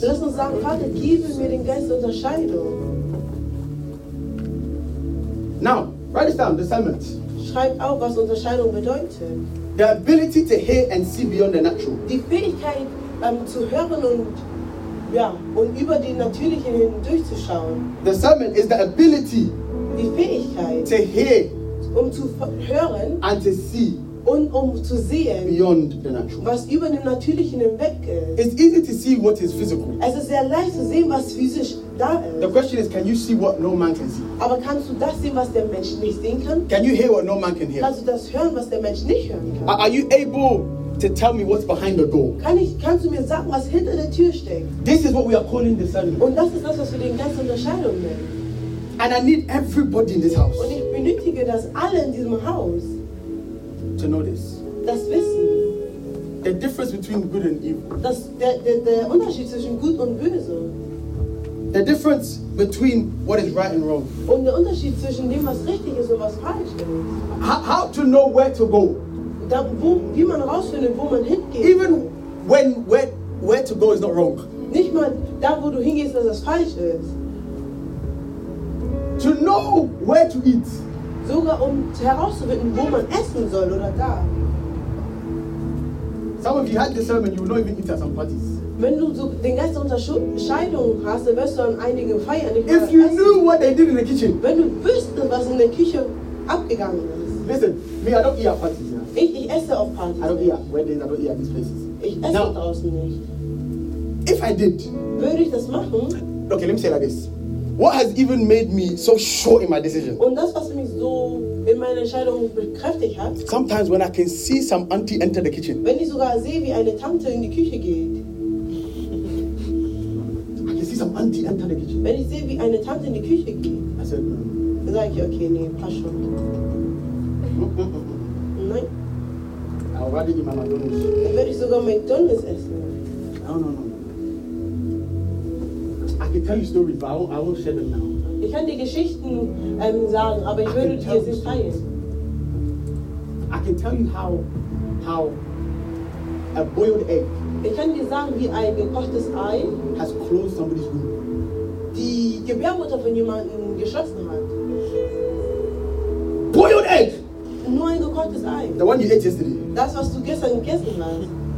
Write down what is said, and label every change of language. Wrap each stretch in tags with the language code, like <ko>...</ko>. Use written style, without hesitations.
<de>Lass uns sagen, Vater, gib mir den Geist der Unterscheidung.</de> <en>Now. Write this down, discernment.</en> <de>Schreib auf, was Unterscheidung bedeutet.</de> <en>The ability to hear and see beyond the natural.</en> <de>Die Fähigkeit zu hören und und über die natürliche hindurchzuschauen.</de> <en>Discernment is the ability.</en> <de>Die Fähigkeit</de> <en>to hear</en> <de>zu hören</de> <en>and to see</en> <de>und zu sehen</de> <en>beyond the natural.</en> <de>Was über dem natürlichen hinweg ist.</de> <en>It's easy to see what is physical.</en> <de>Es ist sehr leicht zu sehen, was physisch da ist.</de> <en>The question is, can you see what no man can see?</en> <de>Aber kannst du das sehen, was der Mensch nicht sehen kann?</de> <en>Can you hear what no man can hear?</en> <de>Kannst du das hören, was der Mensch nicht hören kann?</de> <en>Are you able to tell me what's behind the door?</en> <de>Kannst du mir sagen, was hinter der Tür steckt?</de> <en>This is what we are calling discernment.</en> <de>Und das ist das, was wir den Geist der Unterscheidung nennen.</de> <en>And I need everybody in this house.</en> <de>Und ich benötige das alle in diesem Haus.</de> <en>To know this.</en> <de>Das Wissen.</de> <en>The difference between good and evil.</en> <de>Der Unterschied zwischen gut und böse.</de> <en>The difference between what is right and wrong.</en> <de>Und der Unterschied zwischen dem, was richtig ist und was falsch ist.</de> <en>How to know where to go.</en> <de>Da, wie man rausfindet, wo man hingeht.</de> <en>Even when where to go is not wrong.</en> <de>Nicht mal da, wo du hingehst, dass das falsch ist.</de> <en>To know where to eat.</en> <de>Sogar herauszufinden, wo man essen soll oder da.</de> <en>Some of you had discernment, you will not even eat at some parties.</en> <de>Wenn du so den Geist der Unterscheidung hast, dann wirst du an einigen Feiern nicht mehr essen.</de> <en>If you knew what they did in the kitchen.</en> <de>Wenn du wüsstest, was in der Küche abgegangen ist.</de> <en>Listen, me, I don't eat at parties. Yeah.</en> <de>Ich esse auf Partys.</de> <en>I don't eat at weddings, I don't eat at these places.</en> <de>Ich esse now, draußen nicht.</de> <en>If I did.</en> <de>Würde ich das machen?</de> <en>Okay, let me say like this. What has even made me so sure in my decision?</en> <de>Und das, was mich so in meiner Entscheidung bekräftigt hat.</de> <en>Sometimes when I can see some auntie enter the kitchen.</en> <de>Wenn ich sogar sehe, wie eine Tante in die Küche geht.</de> <en>I can see some auntie enter the kitchen.</en> <de>Wenn ich sehe, wie eine Tante in die Küche geht. Dann sage ich, okay, nee, passt schon. Nein. Aber warte, ich mal McDonald's. Dann werde ich sogar McDonald's essen.</de> <en>No. I can tell you stories, but I won't share them now.</en> <de>Ich kann dir Geschichten sagen, aber ich würde dir sie teilen.</de> <en>I can tell you how a boiled egg.</en> <de>Ich kann dir sagen, wie ein gekochtes Ei</de> <en>has closed somebody's womb.</en> <de>Die Gebärmutter von jemandem geschlossen hat.</de> <en>Boiled egg.</en> <de>Nur ein gekochtes Ei.</de> <en>The one you ate yesterday.</en> <de>Das, was du gestern gegessen hast.</de>